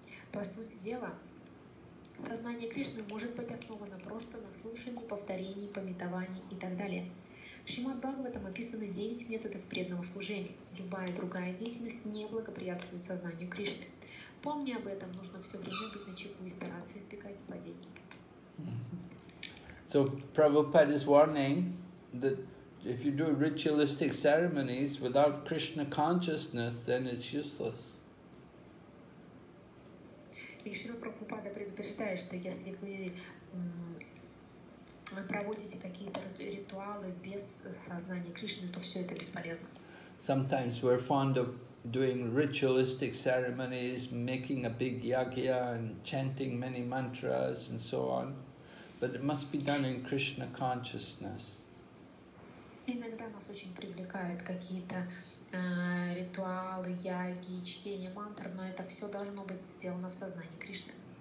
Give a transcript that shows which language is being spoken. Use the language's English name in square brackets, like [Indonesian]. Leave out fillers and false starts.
[Russian] По сути дела, сознание Кришны может быть основано просто на слушании, повторении, памятовании и так далее. В Шримад Бхагаватам описаны 9 методов преданного служения. Любая другая деятельность не благоприятствует сознанию Кришны. Помни об этом, нужно все время быть начеку и стараться избегать падений. [English] So Prabhupada is warning that if you do ritualistic ceremonies without Krishna consciousness, then it's useless. [Russian] И Шрила Прабхупада предупреждает, что если вы проводите какие-то ритуалы без сознания Кришны, то все это бесполезно. [English] Sometimes we're fond of doing ritualistic ceremonies, making a big yagya and chanting many mantras and so on, but it must be done in Krishna consciousness. [Russian] Иногда нас очень привлекают какие-то ритуалы, яги, чтение мантр, но это все должно быть сделано в сознании Кришны.